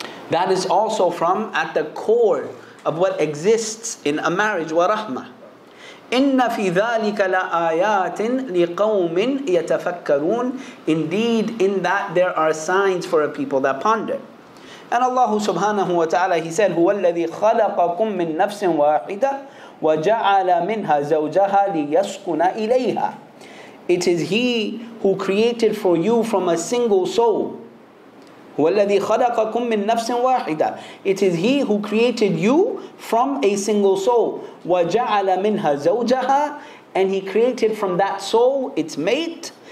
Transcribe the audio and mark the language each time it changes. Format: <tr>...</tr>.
<en>That is also from at the core of what exists in a marriage.</en> <ar>وَرَحْمَةً. إِنَّ فِي ذَٰلِكَ لَآيَاتٍ لِقَوْمٍ يَتَفَكَّرُونَ.</ar> <en>Indeed, in that there are signs for a people that ponder. And Allah subhanahu wa ta'ala, He said,</en> <ar>هُوَ الَّذِي خَلَقَكُم مِّن نَفْسٍ وَاحِدَةٍ وَجَعَلَ مِنْهَا زَوْجَهَا لِيَسْكُنَ إِلَيْهَا.</ar> <en>It is He who created for you from a single soul.</en> <ar>هُوَ الَّذِي خَلَقَكُم مِّن نَفْسٍ وَاحِدَةٍ.</ar> <en>It is He who created you from a single soul.</en> <ar>وَجَعَلَ مِنْهَا زَوْجَهَا.</ar> <en>And He created from that soul its mate.</en>